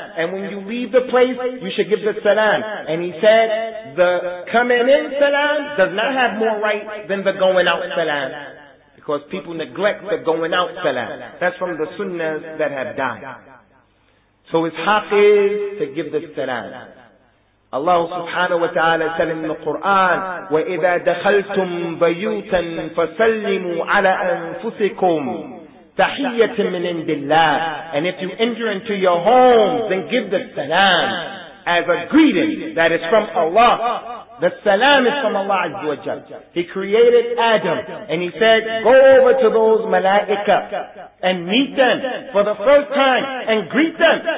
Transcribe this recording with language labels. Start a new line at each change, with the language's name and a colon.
English: And when you leave the place, you should give the salam. And he said, the coming in salam does not have more right than the going out salam. Because people neglect the going out salam. That's from the sunnahs that have died. So his haq is to give the salam. Allah subhanahu wa ta'ala said in the Quran,
Arabic: وَإِذَا دَخَلْتُمْ بَيُوتًا فَسَلِّمُوا عَلَىٰ أَنفُسِكُمْ تَحِيَّةٍ مِّنْ عِنْدِ اللَّهِ.
English: And if you enter into your homes, then give the salam as a greeting that is from Allah. The salam is from Allah Azza wa Jalla. He created Adam and he said, go over to those malaika and meet them for the first time and greet them.